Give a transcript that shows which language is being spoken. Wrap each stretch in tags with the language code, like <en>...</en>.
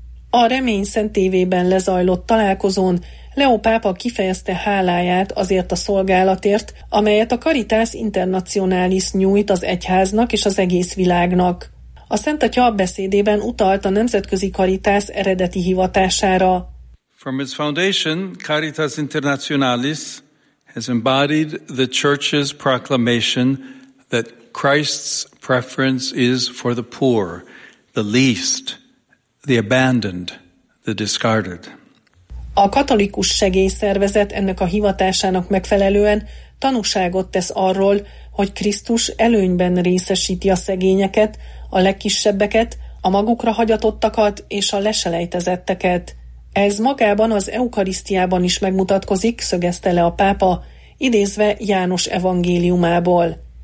<hu>A Remény Szentévében lezajlott találkozón Leó pápa kifejezte háláját azért a szolgálatért, amelyet a Caritas Internationalis nyújt az egyháznak és az egész világnak. A Szentatya a beszédében utalt a Nemzetközi Caritas eredeti hivatására.</hu> <en>From its foundation, Caritas Internationalis has embodied the Church's proclamation that Christ's preference is for the poor, the least, the abandoned, the discarded.</en> <hu>A katolikus segélyszervezet ennek a hivatásának megfelelően tanúságot tesz arról, hogy Krisztus előnyben részesíti a szegényeket, a legkisebbeket, a magukra hagyatottakat és a leselejtezetteket. Ez magában az eukarisztiában is megmutatkozik, szögezte le a pápa, idézve János evangéliumából.</hu>